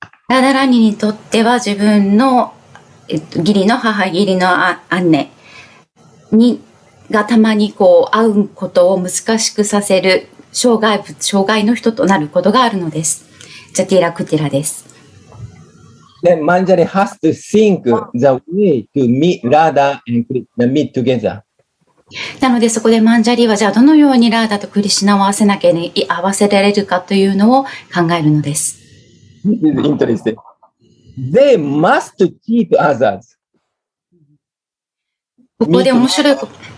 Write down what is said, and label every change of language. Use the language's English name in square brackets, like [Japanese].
[Japanese] Radharani にとっては自分の、義理の母、義理の姉にがたまにこう会うことを難しくさせる障害の人となることがあるのです。ジャティラ・クティラです。 [English] Then Manjari has to think the way to meet Radha and Krishna meet together. [Japanese] なのでそこでマンジャリはじゃあどのようにラーダとクリシナを合わせなきゃに合わせられるかというのを考えるのです。 [English] This is interesting. They must cheat others. [Japanese] ここで面白いこと。